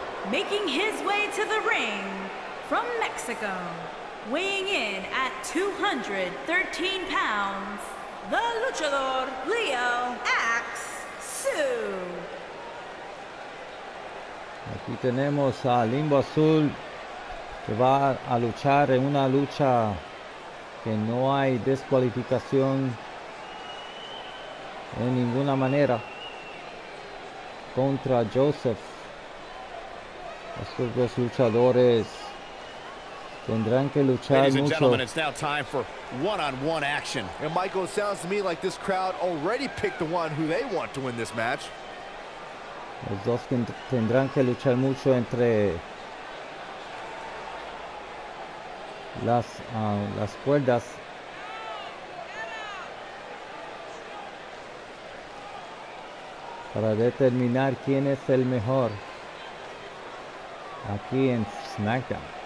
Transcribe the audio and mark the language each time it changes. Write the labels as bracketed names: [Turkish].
[English] Making his way to the ring from Mexico, weighing in at 213 pounds, the luchador Leo AZUL. [Spanish] Aquí tenemos a LIMBO AZUL que va a luchar en una lucha que no hay descualificación en ninguna manera contra JOSEPH. Estos dos luchadores tendrán que luchar mucho. [English] Ladies and gentlemen, it's now time for one-on-one action. And Michael, it sounds to me like this crowd already picked the one who they want to win this match. [Spanish] Los dos tendrán que luchar mucho entre las cuerdas. Para determinar quién es el mejor aquí en SmackDown.